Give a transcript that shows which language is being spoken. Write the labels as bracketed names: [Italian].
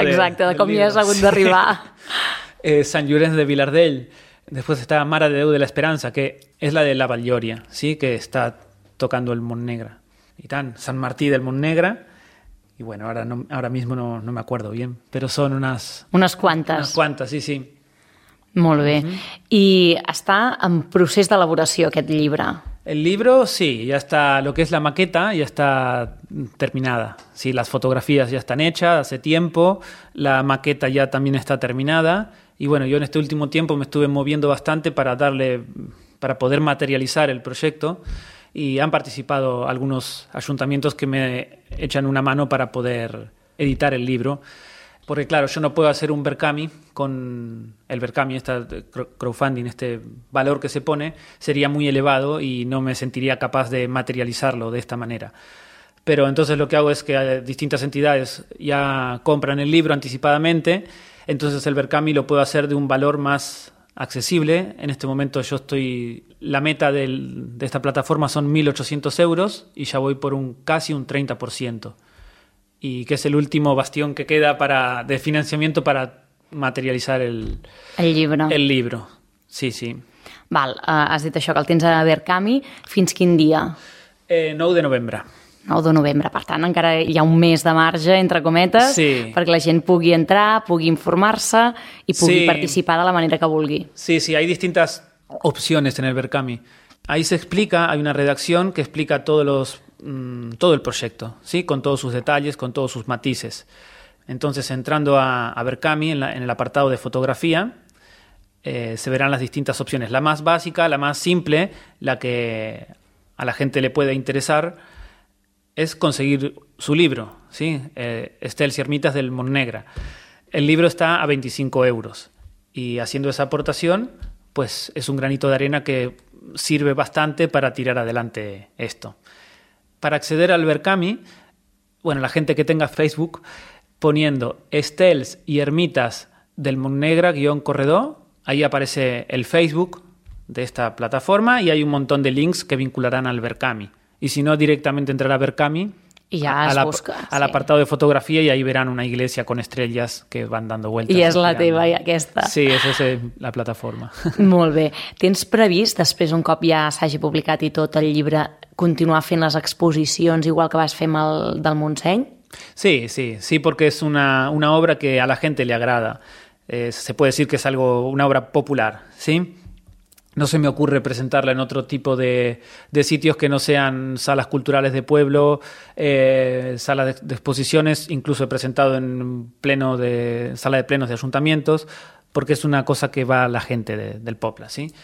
[Spanish] Exacto, de comillas libro. Algún de arriba. Sí. San Llorenç de Vilardell. Después está Mare de Déu de la Esperanza, que es la de la Valllòria, ¿sí? Que está tocando el Montnegre. Y tan, San Martí del Montnegre. Y bueno, ahora mismo no me acuerdo bien, pero son unas... Unas cuantas. Unas cuantas, sí, sí. [Catalan] Molt bé. Uh-huh. I està en procés d'elaboració aquest llibre. [Spanish] El libro, sí, ya está, lo que es la maqueta ya está terminada. Sí, las fotografías ya están hechas hace tiempo, la maqueta ya también está terminada. Y bueno, yo en este último tiempo me estuve moviendo bastante para poder materializar el proyecto. Y han participado algunos ayuntamientos que me echan una mano para poder editar el libro. Porque claro, yo no puedo hacer un Berkami con el Berkami, este crowdfunding, este valor que se pone, sería muy elevado y no me sentiría capaz de materializarlo de esta manera. Pero entonces lo que hago es que distintas entidades ya compran el libro anticipadamente, entonces el Berkami lo puedo hacer de un valor más accesible. En este momento yo estoy, la meta de esta plataforma son 1.800 euros y ya voy por casi un 30%. Y que es el último bastión que queda de financiamiento para [Catalan] materialitzar el llibre. [Spanish] El libro, sí, sí. [Catalan] Val, has dit això, que el tens a Berkami. Fins quin dia? 9 de novembre. 9 de novembre, per tant, encara hi ha un mes de marge, entre cometes, sí, perquè la gent pugui entrar, pugui informar-se i pugui, sí, participar de la manera que vulgui. [Spanish] Sí, sí, hay distintas opciones en el Berkami. Ahí se explica, hay una redacción que explica todo el proyecto, ¿sí? Con todos sus detalles, con todos sus matices. Entonces, entrando a Berkami, en el apartado de fotografía, se verán las distintas opciones. La más básica, la más simple, la que a la gente le puede interesar, es conseguir su libro, ¿sí? Estels y Ermitas del Montnegre. El libro está a 25 euros. Y haciendo esa aportación, pues es un granito de arena que sirve bastante para tirar adelante esto. Para acceder al Berkami, bueno, la gente que tenga Facebook, poniendo Estels y Ermitas del Montnegre guión Corredó, ahí aparece el Facebook de esta plataforma y hay un montón de links que vincularán al Berkami. Y si no, directamente entrar a Berkami, y ya busca, al apartado de fotografía, y ahí verán una iglesia con estrellas que van dando vueltas. [Catalan] Y es la teva, y aquesta. [Spanish] Sí, esa es la plataforma. [Catalan] Molt bé. ¿Tens previst, després, un cop ja s'hagi publicat i tot el llibre, continuar fent les exposicions igual que vas fer amb el del Montseny? [Spanish] Sí, sí, sí, porque es una obra que a la gente le agrada. Se puede decir que es algo, una obra popular, ¿sí? No se me ocurre presentarla en otro tipo de sitios que no sean salas culturales de pueblo, salas de exposiciones, incluso he presentado en pleno de sala de plenos de ayuntamientos, porque es una cosa que va a la gente del Popla, ¿sí?